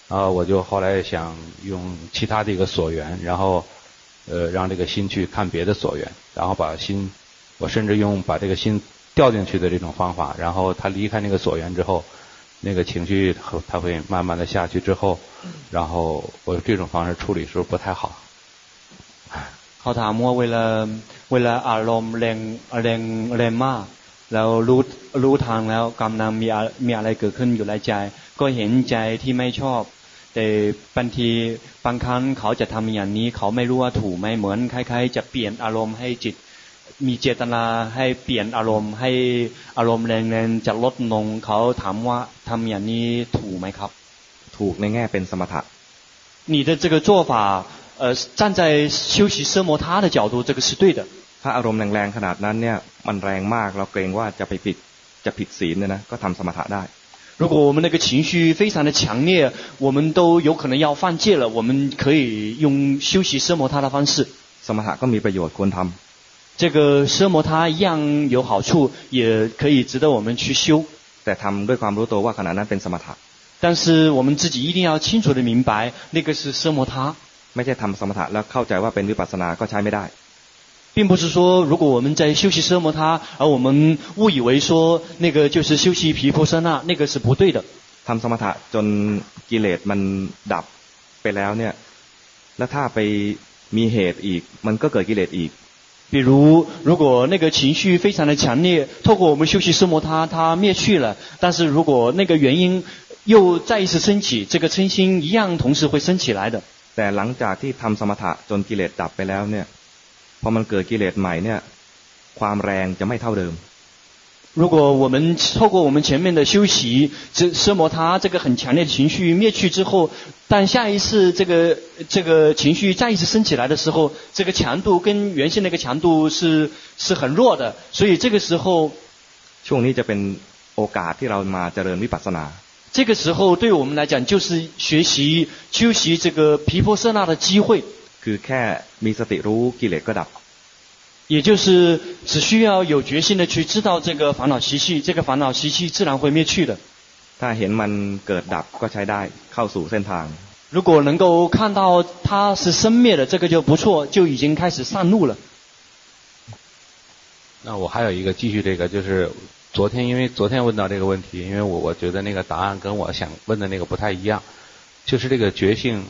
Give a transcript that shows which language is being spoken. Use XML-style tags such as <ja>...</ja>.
<zh>我就后来想用其他的一个所缘然后让这个心去看别的所缘然后把心我甚至用把这个心掉进去的这种方法然后他离开那个所缘之后那个情绪他会慢慢的下去之后然后我这种方式处理是不是不太好好他们为了</zh> <th>อารมณ์แรงแรงแรงมากแล้วรู้ทางแล้วกำลังมีอะไรเกิดขึ้นอยู่ในใจก็เห็นใจที่ไม่ชอบแต่บางทีบางครั้งเขาจะทำอย่างนี้เขาไม่รู้ว่าถูกไหมเหมือนคล้ายๆจะเปลี่ยนอารมณ์ให้จิตมีเจตนาให้เปลี่ยนอารมณ์ให้อารมณ์แรงๆจะลดลงเขาถามว่าทำอย่างนี้ถูกไหมครับ ถูกในแง่เป็นสมถะ</th> <zh>你的这个做法站在修习奢摩他的角度这个是对的</zh> <th>ถ้าอารมณ์แรงๆขนาดนั้นเนี่ยมันแรงมากเราเกรงว่าจะผิดศีลเนี่ยนะก็ทำสมถะได้</th> <zh>如果我们那个情绪非常的强烈我们都有可能要犯戒了我们可以用修习奢摩他的方式</zh> <th>สมถะก็มีประโยชน์ควรทำ</th> <zh>这个奢摩他一样有好处也可以值得我们去修</zh> <th>แต่ทำด้วยความรู้ตัวว่าขณะนั้นเป็นสมถะ</th> <zh>但是我们自己一定要清楚的明白那个是奢摩他</zh> <th>ไม่ใช่ทำสมถะแล้วเข้าใจว่าเป็นวิปัสสนาก็ใช้ไม่ได้</th> <zh>并不是说如果我们在修习奢摩他而我们误以为说那个就是修习毗婆舍那那个是不对的</zh> <th>ทำสมถะจนกิเลสมันดับไปแล้วเนี่ยแล้วถ้าไปมีเหตุอีกมันก็เกิดกิเลสอีก</th> <zh>比如如果那个情绪非常的强烈，透过我们休息奢摩他它灭去了，但是如果那个原因又再一次升起，这个嗔心一样同时会升起来的。</zh> <th>แต่หลังจากที่ทำสมถะจนกิเลสดับไปแล้วเนี่ยพอมันเกิดกิเลสใหม่เนี่ยความแรงจะไม่เท่าเดิม。</th> <zh>如果我们透过我们前面的修习，这奢摩他这个很强烈的情绪灭去之后，但下一次这个情绪再一次升起来的时候，这个强度跟原先那个强度是很弱的，所以这个时候，</zh> <th>ช่วงนี้จะเป็นโอกาสที่เรามาเจริญวิปัสสนา。</th> <zh>这个时候对我们来讲就是学习修习这个毗婆舍那的机会。</zh> <th>คือแค่มีสติรู้กิเลสก็ดับ。</th> <zh>也就是只需要有决心的去知道这个烦恼习气，这个烦恼习气自然会灭去的。</zh> <th>ถ้าเห็นมันเกิดดับก็ใช้ได้เข้าสู่เส้นทาง。</th> <zh>如果能够看到它是生灭的，这个就不错，就已经开始上路了。那我还有一个继续这个，就是昨天因为昨天问到这个问题，因为我觉得那个答案跟我想问的那个不太一样，就是这个觉性。</zh>